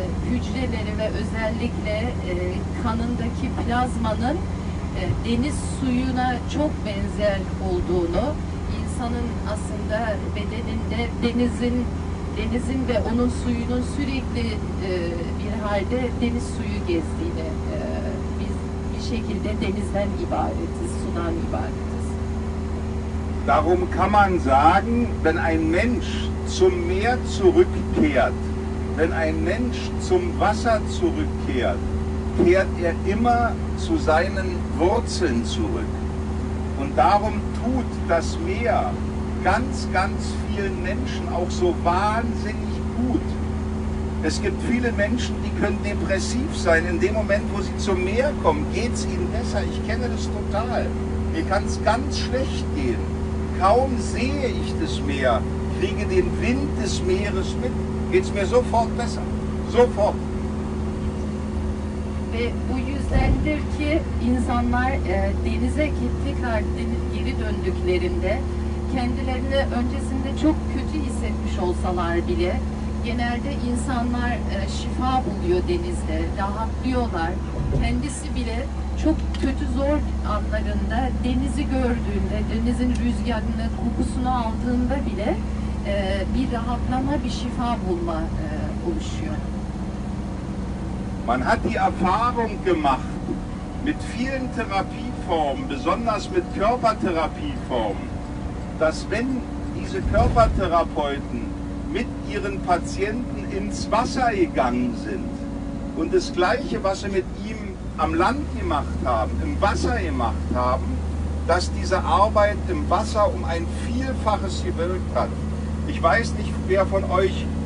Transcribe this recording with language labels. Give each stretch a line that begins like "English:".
Turkish: hücreleri ve özellikle kanındaki plazmanın deniz suyuna çok benzer olduğunu, insanın aslında bedeninde denizin ve onun suyunun sürekli bir halde deniz suyu gezdiğini, biz bir şekilde denizden ibaretiz, sudan ibaretiz.
German: Darum kann man sagen, wenn ein Mensch zum Meer zurückkehrt, wenn ein Mensch zum Wasser zurückkehrt, kehrt er immer zu seinen Wurzeln zurück. Und darum tut das Meer ganz, ganz vielen Menschen auch so wahnsinnig gut. Es gibt viele Menschen, die können depressiv sein. In dem Moment, wo sie zum Meer kommen, geht es ihnen besser. Ich kenne das total. Mir kann es ganz schlecht gehen. Kaum sehe ich das Meer, kriege den Wind des Meeres mit, geht es mir sofort besser. Sofort.
Turkish: Ve bu yüzdendir ki insanlar denize geri döndüklerinde kendilerini öncesinde çok kötü hissetmiş olsalar bile genelde insanlar şifa buluyor denizde, rahatlıyorlar. Kendisi bile çok kötü zor anlarında denizi gördüğünde, denizin rüzgarını, kokusunu aldığında bile bir rahatlama, bir şifa bulma oluşuyor.
German: Man hat die Erfahrung gemacht mit vielen Therapieformen, besonders mit Körpertherapieformen, dass wenn diese Körpertherapeuten mit ihren Patienten ins Wasser gegangen sind und das Gleiche, was sie mit ihm am Land gemacht haben, im Wasser gemacht haben, dass diese Arbeit im Wasser um ein Vielfaches gewirkt hat. Ich weiß nicht, wer von euch